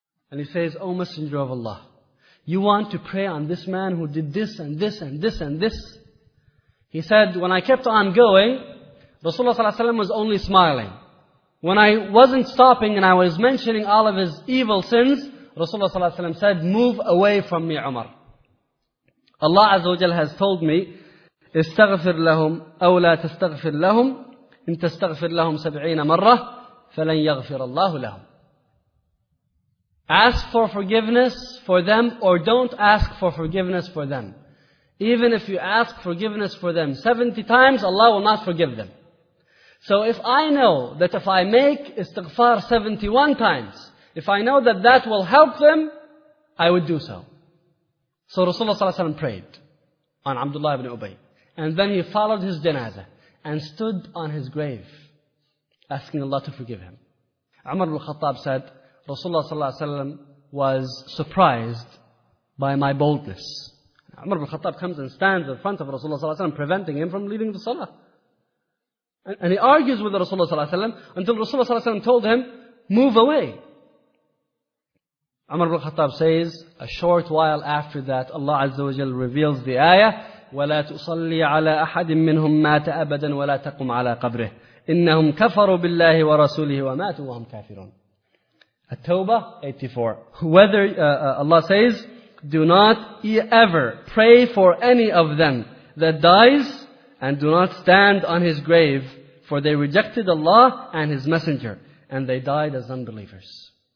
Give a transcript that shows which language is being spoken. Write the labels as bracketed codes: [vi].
[en] And he says, O Messenger of Allah, you want to pray on this man who did this and this and this and this? He said, when I kept on going, Rasulullah sallallahu alaihi wasallam was only smiling. When I wasn't stopping and I was mentioning all of his evil sins, Rasulullah sallallahu alayhi wa sallam said, move away from me, Umar. Allah Azza wa Jalla has told me, [ar] استغفر لهم أو لا تستغفر لهم إن تستغفر لهم [en] 70 times [ar] فلن يغفر الله لهم. [en] Ask for forgiveness for them or don't ask for forgiveness for them. Even if you ask forgiveness for them 70 times, Allah will not forgive them. So if I know that if I make istighfar 71 times, if I know that that will help them, I would do so. So Rasulullah ﷺ prayed on Abdullah ibn Ubay. And then he followed his janazah and stood on his grave, asking Allah to forgive him. Umar al-Khattab said, Rasulullah ﷺ was surprised by my boldness. Umar al-Khattab comes and stands in front of Rasulullah ﷺ, preventing him from leaving the salah. And he argues with Rasulullah ﷺ until Rasulullah ﷺ told him, move away. Umar ibn Khattab says, a short while after that, Allah Azza wa Jal reveals the ayah, [ar] وَلَا تُصَلِّي عَلَىٰ أَحَدٍ مِّنْهُمْ مَاتَ أَبَدًا وَلَا تَقُمْ عَلَىٰ قَبْرِهِ إِنَّهُمْ كَفَرُوا بِاللَّهِ وَرَسُولِهِ وَمَاتُوا وَهُمْ كَافِرُونَ. [en] At-Tawbah 84. Whether Allah says, do not ever pray for any of them that dies, and do not stand on his grave, for they rejected Allah and his messenger, and they died as unbelievers.